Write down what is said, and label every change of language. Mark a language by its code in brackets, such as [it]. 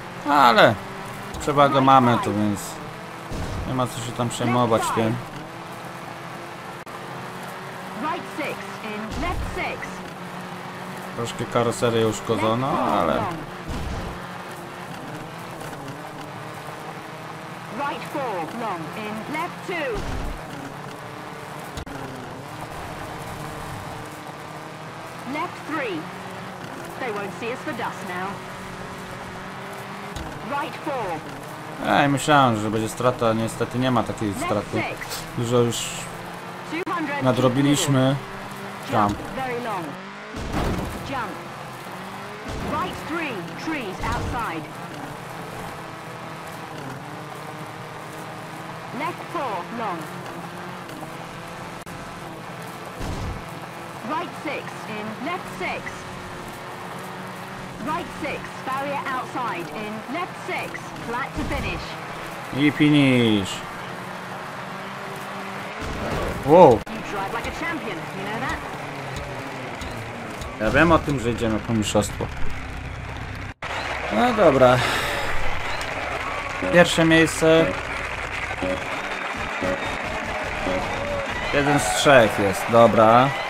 [pl] Ale trzeba go mamy tu, więc nie ma co się tam przejmować tym. [en] Right six in left six. [pl] Troszkę karoserię uszkodzono, ale... [en] Right four, long, in left two. Left three. They won't see us for dust now. Right four. [pl] Ej, myślałem, że będzie strata, niestety nie ma takiej straty. Dużo już nadrobiliśmy. Jump. [en] Very long. Jump. Right three, trees outside. Left four, long. Right six, in left six. Right six, barrier outside, in left six, flat to finish. I finish. Whoa. You drive like a champion, you know that? [pl] Ja wiem o tym, że idziemy po mistrzostwo. No dobra. Pierwsze miejsce. Jeden z trzech jest, dobra.